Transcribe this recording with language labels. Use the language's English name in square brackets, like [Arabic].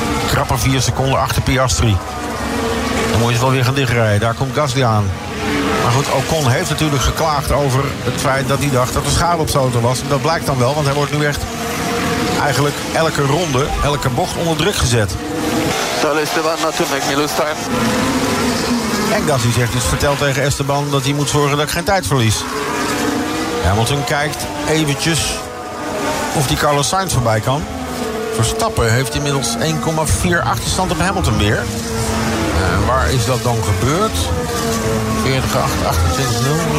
[Dutch] Krappe 4 seconden achter Piastri. Dan moet je wel weer gaan dichtrijden. Daar komt Gasly aan. Maar goed, Ocon heeft natuurlijk geklaagd over het feit dat hij dacht dat er schade op zijn auto was. En dat blijkt dan wel, want hij wordt nu echt eigenlijk elke ronde, elke bocht onder druk gezet. [English] Tell Esteban not to make me lose time. [Dutch] En Gasly zegt dus, vertel tegen Esteban dat hij moet zorgen dat ik geen tijd verlies. Hamilton kijkt eventjes of die Carlos Sainz voorbij kan. Verstappen heeft inmiddels 1,4 achterstand op Hamilton weer. Waar is dat dan gebeurd? 48, 28, 0.